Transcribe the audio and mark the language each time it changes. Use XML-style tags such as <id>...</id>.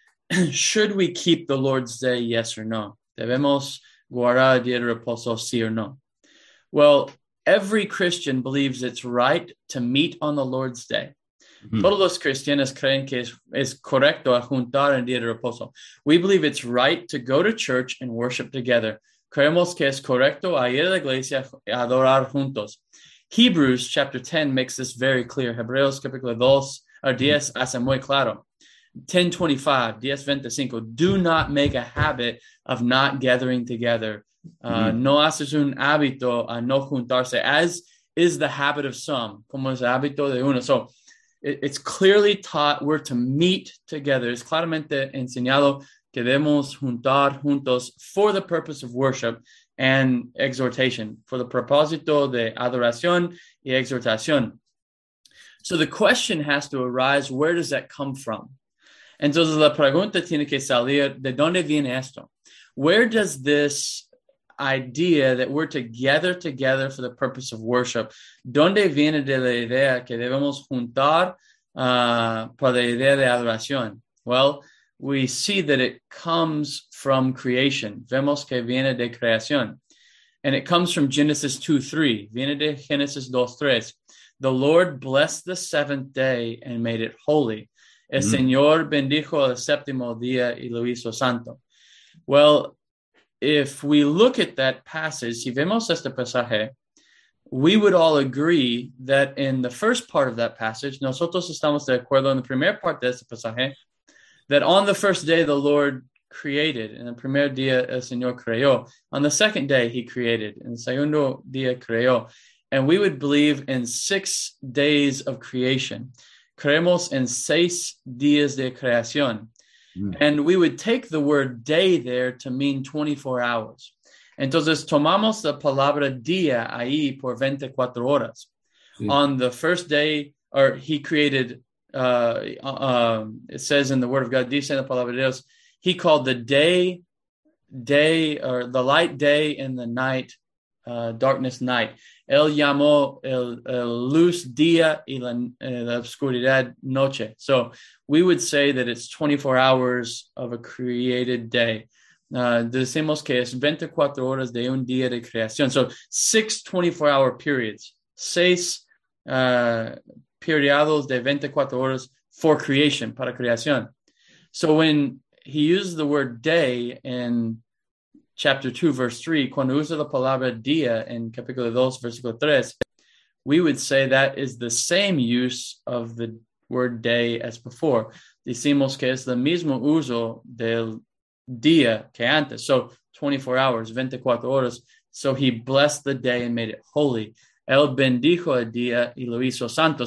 <en>Should we keep the Lord's Day, yes or no?</en> <es>¿Debemos guardar el día de reposo, sí o no?</es> <en>Well, every Christian believes it's right to meet on the Lord's Day.</en> <es>Todos los cristianos creen que es correcto juntar en día de reposo.</es> <en>We believe it's right to go to church and worship together.</en> <es>Creemos que es correcto a ir a la iglesia y adorar juntos.</es> <en>Hebrews chapter 10 makes this very clear.</en> <es>Hebreos capítulo 2 o 10 hace muy claro.</es> <en>10:25, do not make a habit of not gathering together.</en> <es>No haces un hábito a no juntarse,</es> <en>as is the habit of some,</en> <es>como es hábito de uno.</es> <en>So, it's clearly taught we're to meet together.</en> <es>Es claramente enseñado que debemos juntar juntos</es> <en>for the purpose of worship and exhortation,</en> <es>for the propósito de adoración y exhortación.</es> <en>So the question has to arise, where does that come from?</en> <es>Entonces la pregunta tiene que salir, ¿de dónde viene esto?</es> <en>Where does this idea that we're to gather together for the purpose of worship,</en> <es>¿dónde viene de la idea que debemos juntar para la idea de adoración?</es> <en>Well, we see that it comes from creation.</en> <es>Vemos que viene de creación.</es> <en>And it comes from Genesis 2:3.</en> <es>Viene de Genesis 2:3.</es> <en>The Lord blessed the seventh day and made it holy.</en> <es>El Señor bendijo el séptimo día y lo hizo santo.</es> <en>Well, if we look at that passage,</en> <es>si vemos este pasaje,</es> <en>we would all agree that in the first part of that passage,</en> <es>nosotros estamos de acuerdo en la primera parte de este pasaje,</es> <en>that on the first day the Lord created,</en> <es>en el primer día el Señor creó,</es> <en>on the second day he created,</en> <es>en el segundo día creó,</es> <en>and we would believe in 6 days of creation.</en> <es>Creemos en 6 días de creación.</es> <en>And we would take the word day there to mean 24 hours.</en> <es>Entonces, tomamos la palabra día ahí por 24 horas. Sí.</es> <en>On the first day, or he created it says in the Word of God,</en> <es>dice en la palabra de Dios,</es> <en>he called the day, or the light day and the night, darkness night.</en> <es>Él llamó el luz día y la oscuridad noche.</es> <en>So we would say that it's 24 hours of a created day.</en> <es>Decimos que es 24 horas de un día de creación.</es> <en>So six 24-hour periods.</en> <es>Seis periodos de 24 horas</es> <en>for creation,</en> <es>para creación.</es> <en>So when he uses the word day in chapter 2, verse 3,</en> <es>cuando usa la palabra día en capítulo 2, versículo 3,</es> <en>we would say that is the same use of the word day as before.</en> <es>Decimos que es el mismo uso del día que antes.</es> <en>So 24 hours,</en> <es>24 horas.</es> <en>So he blessed the day and made it holy.</en> <es>El bendijo el día y lo hizo santo.</es>